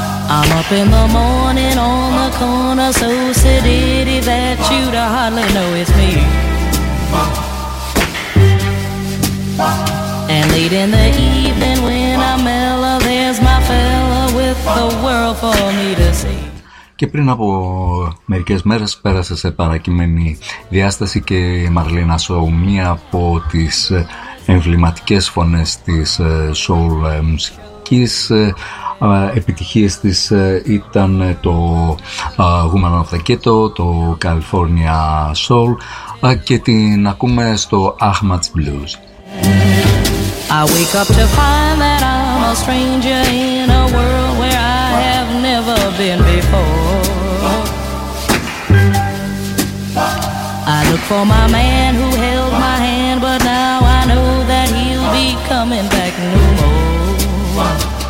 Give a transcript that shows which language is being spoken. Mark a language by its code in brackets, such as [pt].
[en] I'm up in the morning on the corner, so sedated that you'd hardly know it's me. And late in the evening when I'm mellow, there's my fella with the world for me to see. [el] Και πριν από μερικές μέρες πέρασε σε παρακειμένη διάσταση και η Μαρλίνα Σόου, μία από τις εμβληματικές φωνές της soul μουσικής. Επιτυχίες της ήταν το Woman of the Ghetto, το California Soul, και την ακούμε στο Ahmad's Blues. [en] I wake up to find that I'm a stranger in a world where I have never been before. I look for my man who held my hand, but now I know that he'll be coming back no more.